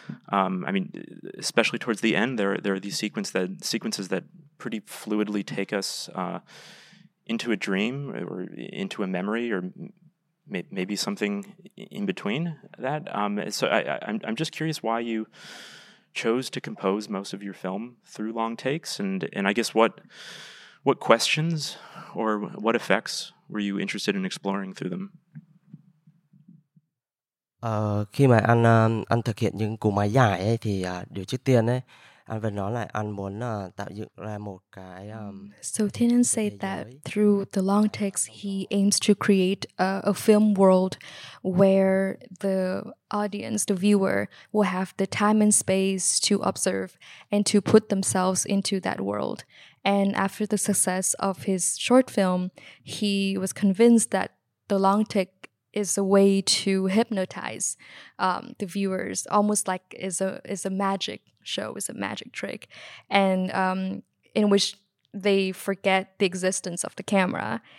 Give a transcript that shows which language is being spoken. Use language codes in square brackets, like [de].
[en] I mean, especially towards the end, there are these sequences that pretty fluidly take us into a dream or into a memory or maybe something in between that. So I'm just curious why you chose to compose most of your film through long takes, and I guess what questions or what effects were you interested in exploring through them? [vi] Khi mà anh thực hiện những cụ máy dài ấy thì điều trước tiên ấy anh vẫn nói là anh muốn tạo dựng ra một cái [en] So Thien An said that through the long takes he aims to create a film world where the audience, the viewer, will have the time and space to observe and to put themselves into that world. And after the success of his short film, he was convinced that the long take is a way to hypnotize the viewers, almost like is a magic show, is a magic trick, and in which they forget the existence of the camera.